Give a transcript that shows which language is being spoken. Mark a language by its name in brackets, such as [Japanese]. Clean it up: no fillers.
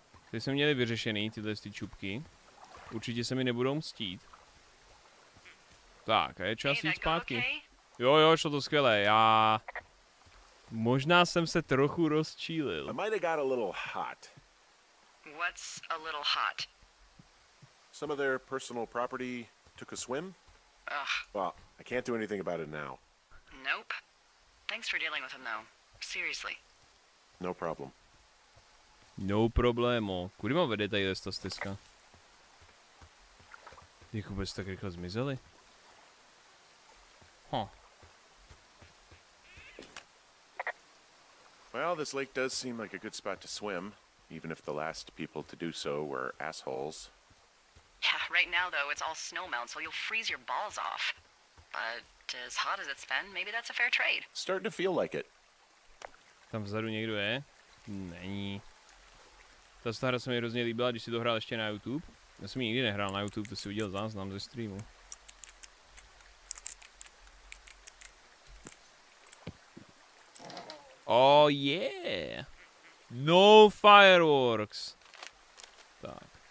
[Czech] Ty jsme měli vyřešený tyhle ty čupky. Určitě se mi nebudou mstít. Tak, a je čas jít zpátky. Jo, jo, šlo to skvěle. Já možná jsem se trochu rozčílil. [English] I might have got a little hot. What's a little hot? Some of their personal property took a swim. Ugh. Well, I can't do anything about it now. Nope. Thanks for dealing with them though. Seriously. No problem. No problemo. [Czech] Kudy mám vede tady ta stezka? Jak vůbec tak rychle zmizeli? [English] Well, this lake does seem like a good spot to swim, even if the last people to do so were assholes. Yeah, right now though, it's all snowmelt, so you'll freeze your balls off. But as hot as it's been, maybe that's a fair trade. Starting to feel like it. [Czech] Tam vzadu někdo je? Není. Ta stará se mi hrozně líbila, když si to hrál ještě na YouTube. Já jsem ji nikdy nehrál na YouTube, to si udělal záznam ze streamu. [English] Oh yeah! No fireworks! [Czech] Tak.